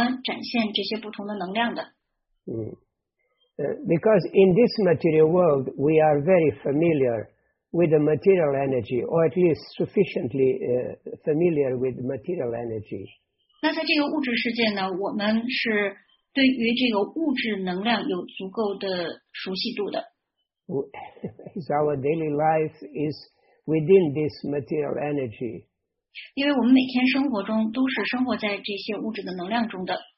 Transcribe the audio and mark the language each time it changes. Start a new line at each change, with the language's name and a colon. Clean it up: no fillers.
Chinese: 所以呢，他就想知道主他是怎么展现这些不同的能量的。
English: Because in this material world, we are very familiar with the material energy, or at least sufficiently familiar with material energy.
Chinese: 那在这个物质世界呢，我们是对于这个物质能量有足够的熟悉度的。
English: Our daily life is within this material energy.
Chinese: 因为我们每天生活中都是生活在这些物质的能量中的。